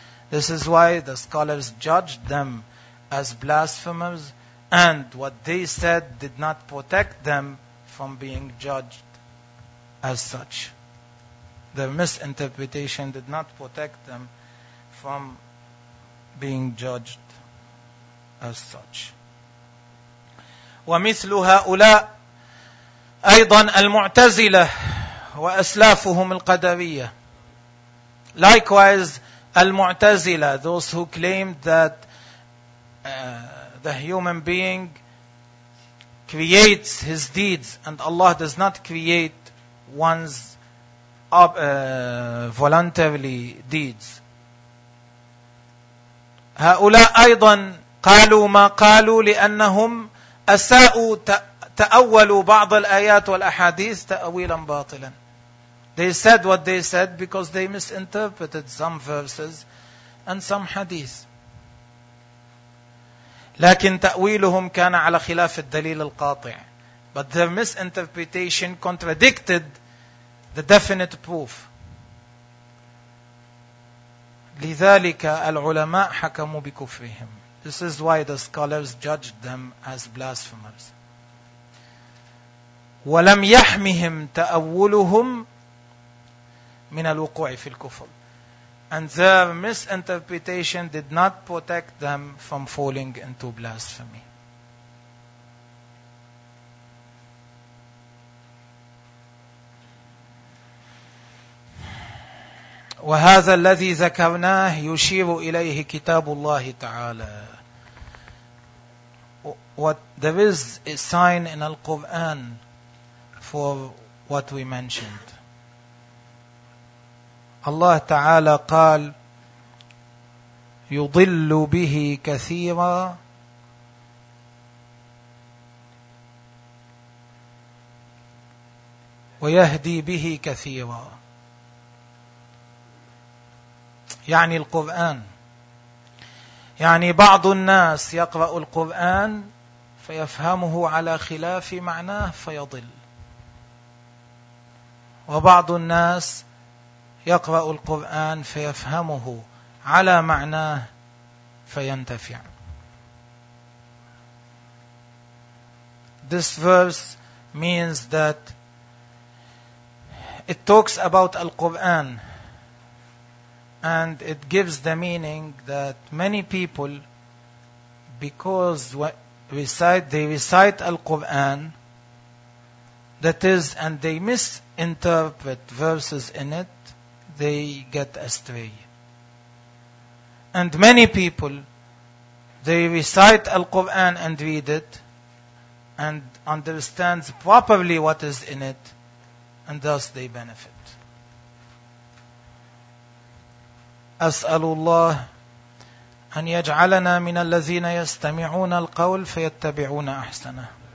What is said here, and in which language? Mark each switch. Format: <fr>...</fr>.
<en>This is why the scholars judged them as blasphemers, and what they said did not protect them from being judged as such. Their misinterpretation did not protect them from being judged as such.</en> <ar>ومثل هؤلاء أيضا المعتزلة وأسلافهم القدرية.</ar> <en>Likewise, Al-Mu'tazila, those who claimed that the human being creates his deeds and Allah does not create one's voluntarily deeds.</en> <ar>هؤلاء أيضا قالوا ما قالوا لأنهم أساءوا تأولوا بعض الآيات والأحاديث تأويلا باطلا.</ar> <en>They said what they said because they misinterpreted some verses and some hadith.</en> <ar>لكن تأويلهم كان على خلاف الدليل القاطع.</ar> <en>But their misinterpretation contradicted the definite proof.</en> <ar>لذلك العلماء حكموا بكفرهم.</ar> <en>This is why the scholars judged them as blasphemers.</en> <ar>ولم يحمهم تأولهم من الوقوع في الكفر.</ar> <en>And their misinterpretation did not protect them from falling into blasphemy.</en> <ar>وهذا الذي ذكرناه يشير إليه كتاب الله تعالى.</ar> <en>What there is a sign in Al-Quran for what we mentioned.</en> <ar>الله تعالى قال يضل به كثيرا ويهدي به كثيرا. يعني القرآن, يعني بعض الناس يقرأ القرآن فيفهمه على خلاف معناه فيضل, وبعض الناس يقرأ القرآن فيفهمه على معناه فينتفع.</ar> <en>This verse means that it talks about Al-Quran and it gives the meaning that many people, because they recite Al-Quran, that is, and they misinterpret verses in it, they get astray. And many people, they recite Al-Quran and read it and understand properly what is in it, and thus they benefit.</en> <ar>أسأل الله أن يجعلنا من الذين يستمعون القول فيتبعون أحسنه.</ar>